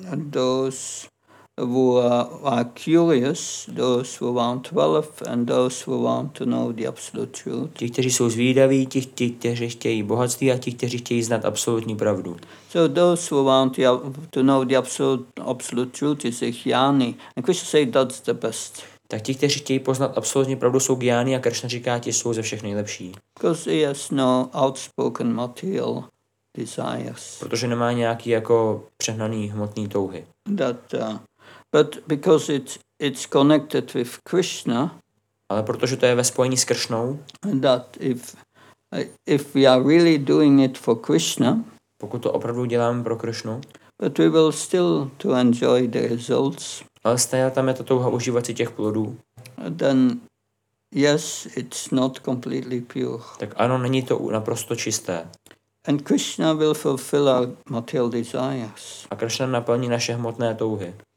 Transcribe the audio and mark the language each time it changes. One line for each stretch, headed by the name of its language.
English: Those who are curious, those who want wealth and those who want to know the absolute truth.
Czech: Ti, kteří jsou zvídaví, ti, kteří chtějí bohatství a ti, kteří chtějí znát absolutní pravdu.
English: So those who want to know the absolute truth is a jnani. And Krishna says that's the best.
Czech: Tak ti, kteří chtějí poznat absolutní pravdu, jsou jnani a Krishna říká, ti jsou ze všech nejlepší.
English: Because he has no outspoken material desires.
Czech: Protože nemá nějaký jako přehnaný hmotný touhy.
English: That, but because it's connected with Krishna.
Czech: Ale protože to je ve spojení s Krishnou.
English: That if we are really doing it for Krishna.
Czech: Pokud to opravdu děláme pro Krishnu.
English: But we will still to enjoy the results.
Czech: Ale stejně tam je to touha užívat si těch plodů.
English: Then yes, it's not completely pure.
Czech: Tak ano, není to naprosto čisté.
English: And Krishna will fulfill our material desires.
Czech: A Krishna naplní naše hmotné touhy.